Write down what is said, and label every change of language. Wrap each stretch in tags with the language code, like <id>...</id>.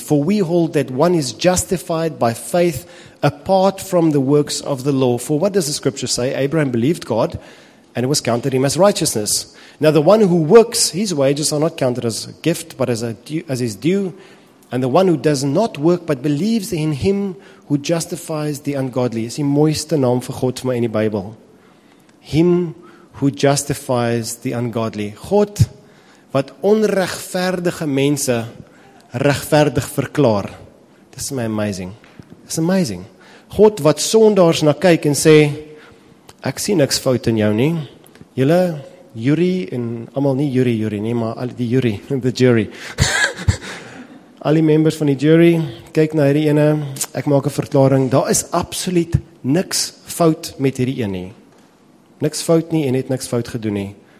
<en>For we hold that one is justified by faith apart from the works of the law. For what does the scripture say? Abraham believed God and it was counted him as righteousness. Now the one who works, his wages are not counted as a gift but as his due. And the one who does not work but believes in him who justifies the ungodly.</en> <af>Is die mooiste naam vir God in die Bybel.</af> <en>Him who justifies the ungodly.</en> <af>God wat onregverdige mense regverdig verklaar. Dis my amazing.</af> <en>It's amazing.</en> <af>God wat sondaars na kyk en sê, ek sien niks fout in jou nie. Julle, jury en almal nie jury nie, maar al die jury,</af> <en>the jury.</en> <af>Al die members van die jury, kyk na hierdie ene, ek maak 'n verklaring, daar is absoluut niks fout met hierdie een nie. Niks fout nie en het niks fout gedoen nie.</af>